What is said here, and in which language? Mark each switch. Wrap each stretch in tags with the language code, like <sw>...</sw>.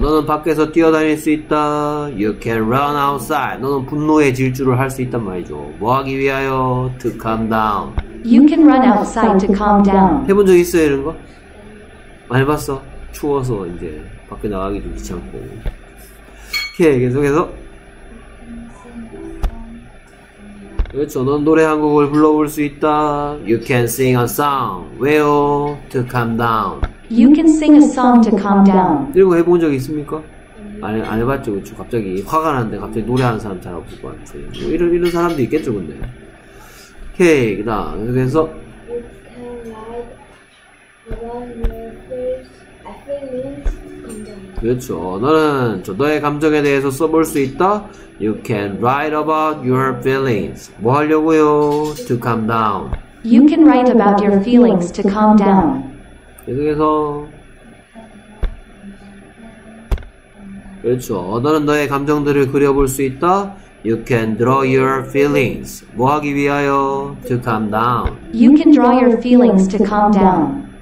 <ko>너는 밖에서 뛰어다닐 수 있다.</ko> <en>You can run outside.</en> <ko>너는 분노의 질주를 할 수 있단 말이죠. 뭐 하기 위하여?</ko> <en>To calm down. You can run outside to calm down.</en> <ko>해본 적 있어요, 이런 거? 많이 봤어. 추워서 이제 밖에 나가기도 귀찮고. 오케이, 계속해서. 그렇죠. 넌 노래 한 곡을 불러볼 수 있다.</ko> <en>You can sing a song.</en> <ko>왜요?</ko> <en>To calm down. You can sing a song to calm down.</en> <ko>이런 거 해본 적 있습니까? 안 해봤죠. 그쵸? 갑자기 화가 나는데 갑자기 노래하는 사람 잘 없을 것 같아. 뭐 이런 사람도 있겠죠, 근데. 오케이, 그 다음. 계속해서.</ko> <en>You can write about your feelings.</en> <ko>그렇죠. 너는 너의 감정에 대해서 써볼 수 있다.</ko> <en>You can write about your feelings.</en> <ko>뭐 하려고요?</ko> <en>To calm down. You can write about your feelings to calm down.</en> <ko>계속해서 그렇죠. 너는 너의 감정들을 그려볼 수 있다.</ko> <en>You can draw your feelings.</en> <ko>뭐 하기 위하여?</ko> <en>To calm down. You can draw your feelings to calm down.</en>